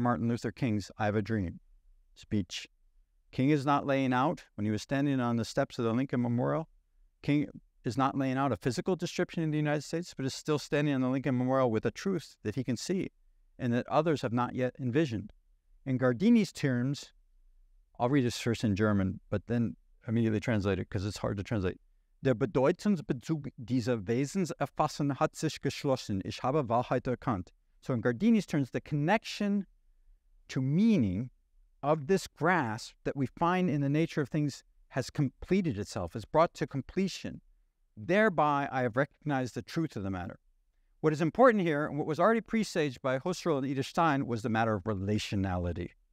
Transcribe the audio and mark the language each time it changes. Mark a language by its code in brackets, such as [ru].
[en] Martin Luther King's I Have a Dream speech. King is not laying out, when he was standing on the steps of the Lincoln Memorial, King is not laying out a physical description of the United States, but is still standing on the Lincoln Memorial with a truth that he can see and that others have not yet envisioned. In Guardini's terms, I'll read this first in German, but then immediately translate it because it's hard to translate. [de] Der Bedeutungsbezug dieser Wesenserfassung hat sich geschlossen. Ich habe Wahrheit erkannt. [en] So in Guardini's terms, the connection to meaning of this grasp that we find in the nature of things has completed itself, is brought to completion. Thereby, I have recognized the truth of the matter. What is important here, and what was already presaged by Husserl and Edith Stein, was the matter of relationality.